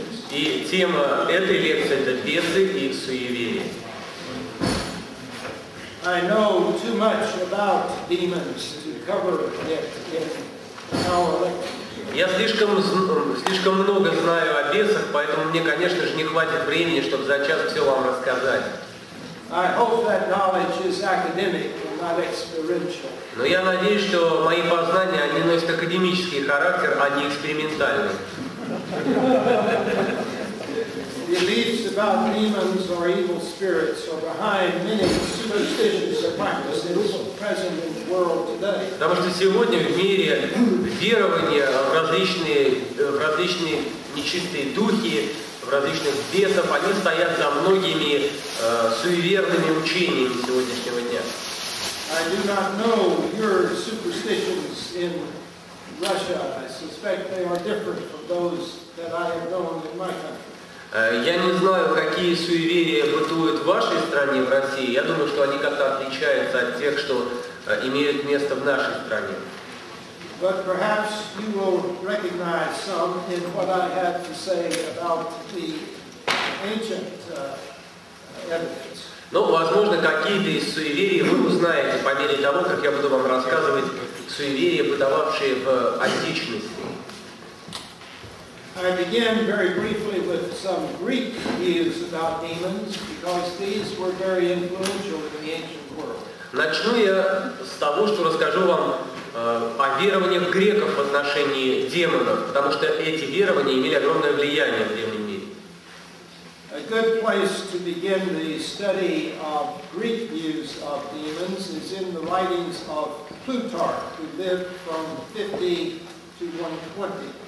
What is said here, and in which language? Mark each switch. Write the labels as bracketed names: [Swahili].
[Russian] И тема этой лекции — это бесы и суеверия. [English] I know too much about demons to cover it in our lecture. [Russian] Я слишком много знаю о бесах, поэтому мне, конечно же, не хватит времени, чтобы за час все вам рассказать. [English] I hope that knowledge is academic and not experiential. [Russian] Но я надеюсь, что мои познания, они носят академический характер, а не экспериментальный. [English] Beliefs about demons or evil spirits are behind many superstitions or practices present in the world today. [Russian] Потому что сегодня в мире верования в различные нечистые духи, в различных бесов, они стоят за многими суеверными учениями сегодняшнего дня. [English] I do not know your superstitions in Russia. I suspect they are different from those that I have known in my country. [Russian] Я не знаю, какие суеверия бытуют в вашей стране, в России. Я думаю, что они как-то отличаются от тех, что имеют место в нашей стране. [English] But perhaps you will recognize some in what I had to say about the ancient evidence. [Russian] Но, возможно, какие-то из суеверий вы узнаете по мере того, как я буду вам рассказывать суеверия, бытовавшие в античности. [English] I began very briefly with some Greek views about demons, because these were very influential in the ancient world. [Russian] Начну я с того, что расскажу вам о верованиях греков в отношении демонов, потому что эти верования имели огромное влияние в древнем мире. [English] A good place to begin the study of Greek views of demons is in the writings of Plutarch, who lived from 50 to 120.